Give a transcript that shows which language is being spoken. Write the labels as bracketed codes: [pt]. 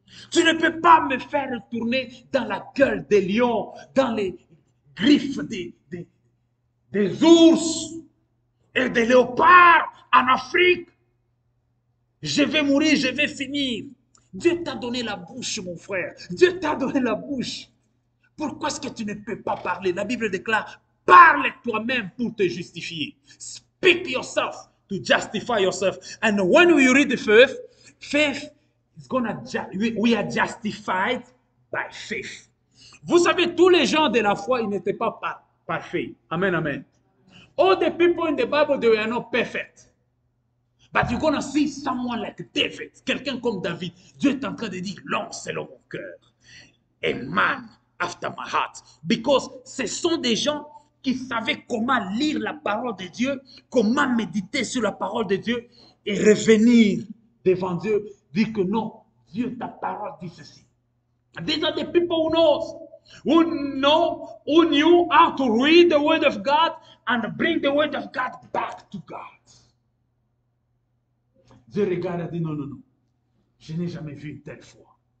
[fr] Tu ne peux pas me faire retourner dans la gueule des lions, dans les griffes des ours et des léopards en Afrique. Je vais mourir, je vais finir. Dieu t'a donné la bouche, mon frère. Dieu t'a donné la bouche. Pourquoi est-ce que tu ne peux pas parler? La Bible déclare, parle toi-même pour te justifier. [en] Speak yourself to justify yourself. And when we read the faith, faith is gonna, we are justified by faith. [fr] Vous savez, tous les gens de la foi, ils n'étaient pas parfaits. Amen, amen. [en] All the people in the Bible, they were not perfect. But you're going to see someone like David, [fr] quelqu'un comme David. Dieu est en train de dire, l'homme selon mon cœur. [en] A man after my heart. Because [fr] ce sont des gens qui savaient comment lire la parole de Dieu, comment méditer sur la parole de Dieu et revenir devant Dieu, dire que non, Dieu, ta parole dit ceci. [en] These are the people who knew how to read the word of God and bring the word of God back to God. [fr] Dieu regarde et dit, non, je n'ai jamais vu une telle foi.